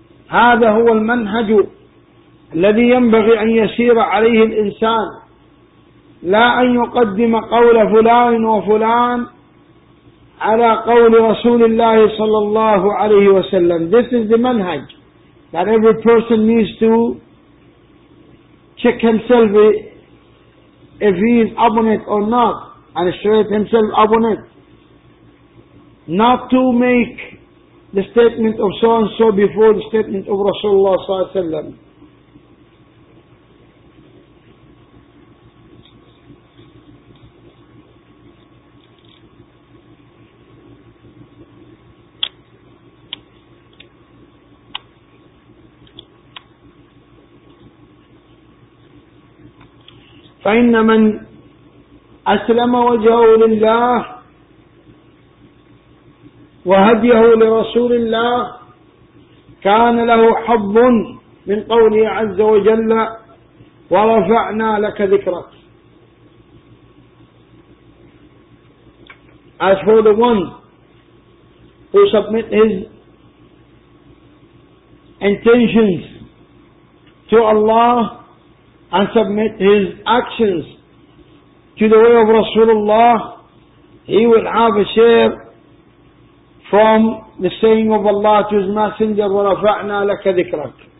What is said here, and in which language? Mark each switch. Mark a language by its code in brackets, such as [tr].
[ar] هذا هو المنهج الذي ينبغي أن يسير عليه الإنسان, لا أن يقدم قول فلان وفلان على قول رسول الله صلى الله عليه وسلم. [en] This is the manhaj that every person needs to check himself if he is abunit or not, and straight himself abunit, not to make the statement of so and so before the statement of Rasulullah [ar] صلى الله عليه وسلم. فإن من أسلم وجهه لله وهديه لرسول الله كان له حظ من قوله عز وجل ورفعنا لك ذكرك. [en] As for the one who submit his intentions to Allah and submit his actions to the way of Rasulullah, he will have a share from the saying of Allah to his messenger, [ar] وَرَفَعْنَا لَكَ ذِكْرَكَ.